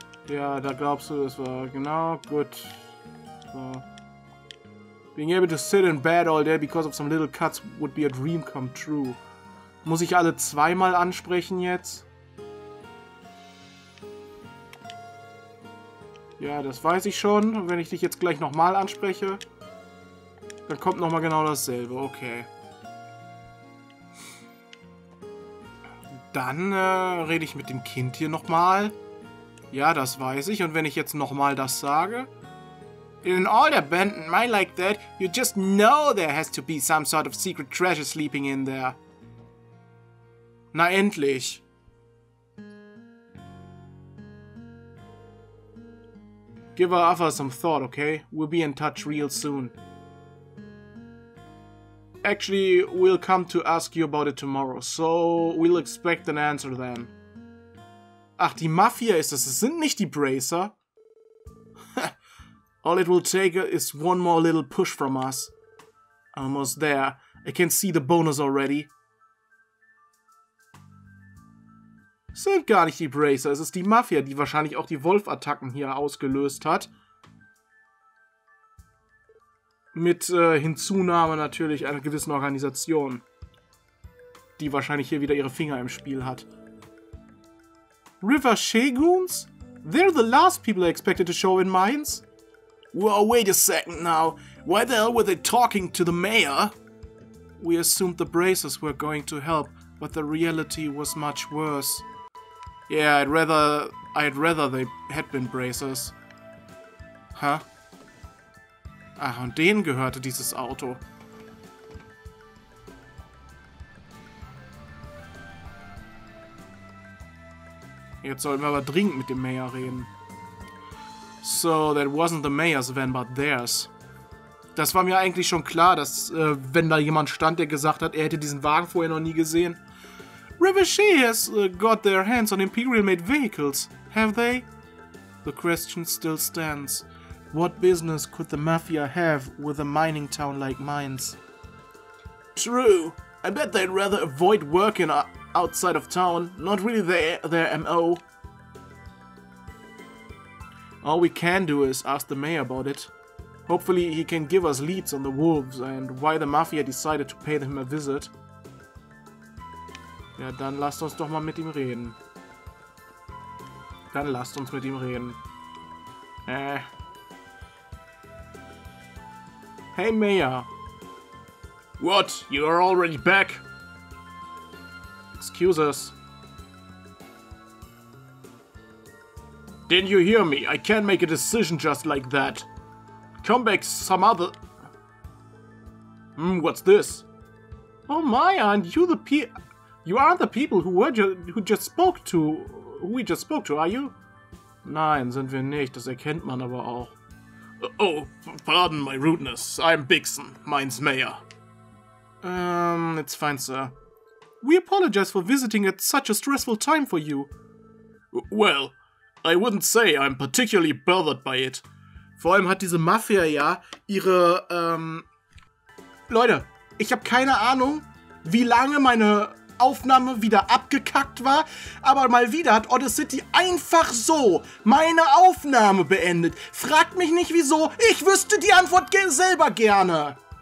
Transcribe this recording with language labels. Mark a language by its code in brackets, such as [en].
[de] Ja, da glaubst du, das war genau gut. So. [en] Being able to sit in bed all day because of some little cuts would be a dream come true. [de] Muss ich alle zweimal ansprechen jetzt? Ja, das weiß ich schon. Und wenn ich dich jetzt gleich nochmal anspreche, dann kommt nochmal genau dasselbe. Okay. Dann rede ich mit dem Kind hier nochmal. Ja, das weiß ich. Und wenn ich jetzt nochmal das sage... [en] In all the abandoned mine like that, you just know there has to be some sort of secret treasure sleeping in there. [de] Na endlich. [en] Give our offer some thought, okay? We'll be in touch real soon. Actually, we'll come to ask you about it tomorrow, so we'll expect an answer then. [de] Ach, die Mafia ist das. Es sind nicht die Bracer. [en] All it will take is one more little push from us. Almost there. I can see the bonus already. [de] Sind gar nicht die Bracer, es ist die Mafia, die wahrscheinlich auch die Wolf-Attacken hier ausgelöst hat. Mit Hinzunahme natürlich einer gewissen Organisation, die wahrscheinlich hier wieder ihre Finger im Spiel hat. [en] River Shaguns? They're the last people I expected to show in mines. Whoa, wait a second now. Why the hell were they talking to the mayor? We assumed the Bracers were going to help, but the reality was much worse. Yeah, I'd rather they had been Bracers. Huh? [de] Ah, und denen gehörte dieses Auto. Jetzt sollten wir aber dringend mit dem Mayor reden. [en] So, that wasn't the mayor's van, but theirs. [de] Das war mir eigentlich schon klar, dass wenn da jemand stand, der gesagt hat, er hätte diesen Wagen vorher noch nie gesehen. [en] Rivershe has got their hands on Imperial-made vehicles, have they? The question still stands. What business could the Mafia have with a mining town like mines? True. I bet they'd rather avoid working outside of town. Not really their M.O. All we can do is ask the mayor about it. Hopefully he can give us leads on the wolves and why the Mafia decided to pay him a visit. [de] Ja, dann lasst uns doch mal mit ihm reden. Dann lasst uns mit ihm reden. [en] Hey, Mayor. What? You are already back? Excuse us. Didn't you hear me? I can't make a decision just like that. Come back some other... what's this? Oh, Maya, aren't you the You aren't the people who we just spoke to, are you? [de] Nein, sind wir nicht. Das erkennt man aber auch. [en] Oh, pardon my rudeness. I'm Bixen, mine's mayor. It's fine, sir. We apologize for visiting at such a stressful time for you. Well... I wouldn't say I'm particularly bothered by it. [de] Vor allem hat diese Mafia ja ihre, Leute, ich habe keine Ahnung, wie lange meine Aufnahme wieder abgekackt war, aber mal wieder hat Odyssey einfach so meine Aufnahme beendet. Fragt mich nicht wieso, ich wüsste die Antwort selber gerne.